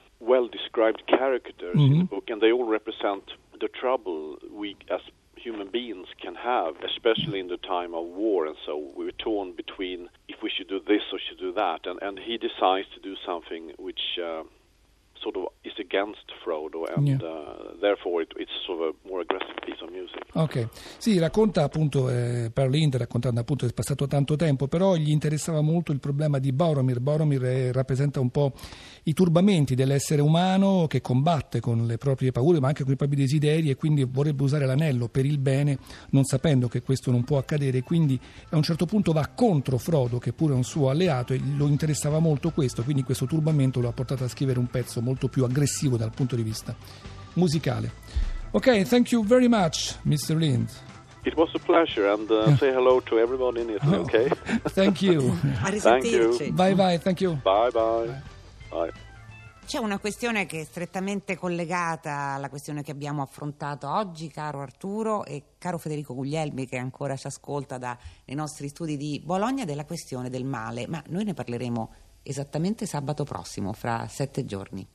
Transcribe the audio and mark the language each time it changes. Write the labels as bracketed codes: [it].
[en] well-described characters in the book, and they all represent the trouble we as human beings can have, especially in the time of war, and so we're torn between if we should do this or should do that, and he decides to do something which sort of is against Frodo, and therefore it's sort of a more aggressive piece of music. [it] Ok, sì, racconta appunto Perlinde, raccontando appunto è passato tanto tempo, però gli interessava molto il problema di Boromir rappresenta un po' i turbamenti dell'essere umano che combatte con le proprie paure ma anche con i propri desideri, e quindi vorrebbe usare l'anello per il bene non sapendo che questo non può accadere, quindi a un certo punto va contro Frodo che pure è un suo alleato, e lo interessava molto questo, quindi questo turbamento lo ha portato a scrivere un pezzo molto più aggressivo dal punto di vista musicale. [en] Ok, thank you very much, Mr. Lind. It was a pleasure, and say hello to everyone in Italy, ok? Thank you. [it] Arrivederci. [en] Bye bye, thank you. Bye bye. [it] C'è una questione che è strettamente collegata alla questione che abbiamo affrontato oggi, caro Arturo e caro Federico Guglielmi, che ancora ci ascolta dai nostri studi di Bologna, della questione del male, ma noi ne parleremo esattamente sabato prossimo, fra 7 giorni.